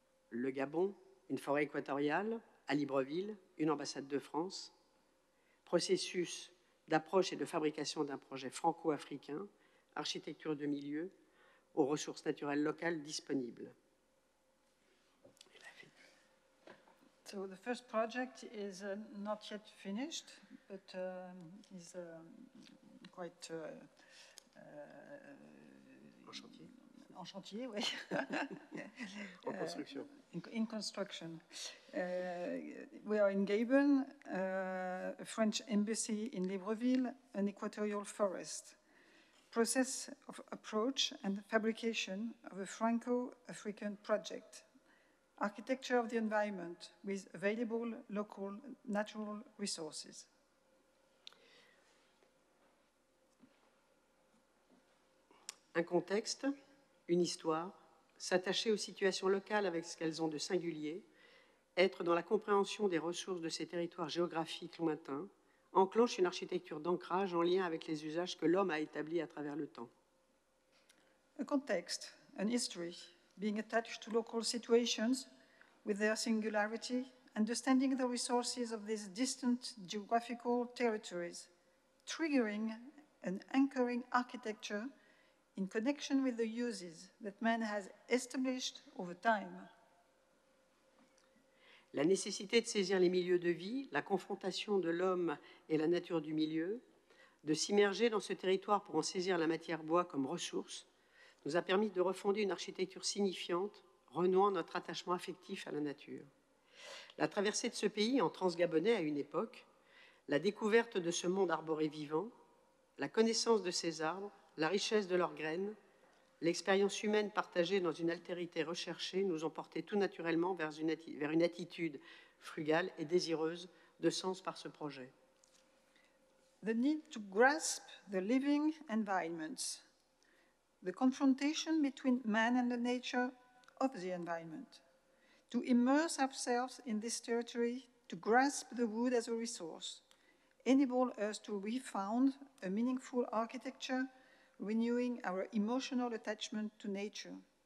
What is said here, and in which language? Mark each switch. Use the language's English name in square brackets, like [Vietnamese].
[French] Le Gabon, une forêt équatoriale, à Libreville, une ambassade de France. Processus d'approche et de fabrication d'un projet franco-africain, architecture de milieu, aux ressources naturelles locales disponibles. [English] So the first project is not yet finished, but is quite [French] en chantier, oui. [English] In construction. We are in Gabon, a French embassy in Libreville, an equatorial forest. Process of approach and fabrication of a Franco-African project. Architecture of the environment with available local natural resources. [French] Un contexte, une histoire, s'attacher aux situations locales avec ce qu'elles ont de singulier, être dans la compréhension des ressources de ces territoires géographiques lointains, enclenche une architecture d'ancrage en lien avec les usages que l'homme a établis à travers le temps. [English] A context, an history, being attached to local situations with their singularity, understanding the resources of these distant geographical territories, triggering an anchoring architecture in connection with the uses that man has established over time. [French] La nécessité de saisir les milieux de vie, la confrontation de l'homme et la nature du milieu, de s'immerger dans ce territoire pour en saisir la matière bois comme ressource, nous a permis de refonder une architecture signifiante, renouant notre attachement affectif à la nature. La traversée de ce pays en transgabonais à une époque, la découverte de ce monde arboré vivant, la connaissance de ces arbres, la richesse de leurs graines, l'expérience humaine partagée dans une altérité recherchée nous ont porté tout naturellement vers une attitude frugale et désireuse de sens par ce projet. [English] The need to grasp the living environments, the confrontation between man and the nature of the environment, to immerse ourselves in this territory, to grasp the wood as a resource, enable us to refound a meaningful architecture, renewing our emotional attachment to nature.